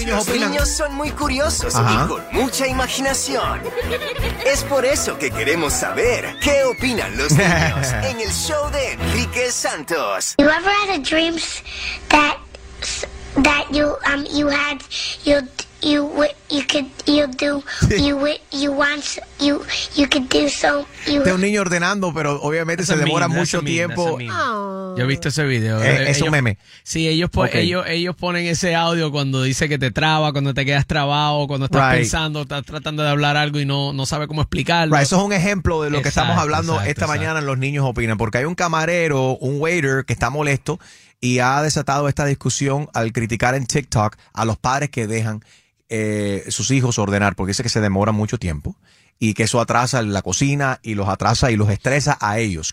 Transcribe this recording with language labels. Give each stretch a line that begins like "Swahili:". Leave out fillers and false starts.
Spanish: Los niños son muy curiosos y con mucha imaginación. Es por eso que queremos saber qué opinan los niños en el show de Enrique Santos.
English: You ever had a dream that you could do
Spanish: de un niño ordenando, pero obviamente se demora mucho tiempo. Yo he visto ese video. Es un meme. Sí, ellos ponen ese audio cuando dice que te traba, cuando te quedas trabado, cuando estás pensando, estás tratando de hablar algo y no sabe cómo explicarlo. Eso es un ejemplo de lo que estamos hablando esta mañana en Los Niños Opinan, porque hay un camarero, un waiter que está molesto y ha desatado esta discusión al criticar en TikTok a los padres que dejan sus hijos ordenar, porque dice que se demora mucho tiempo y que eso atrasa la cocina y los atrasa y los estresa a ellos.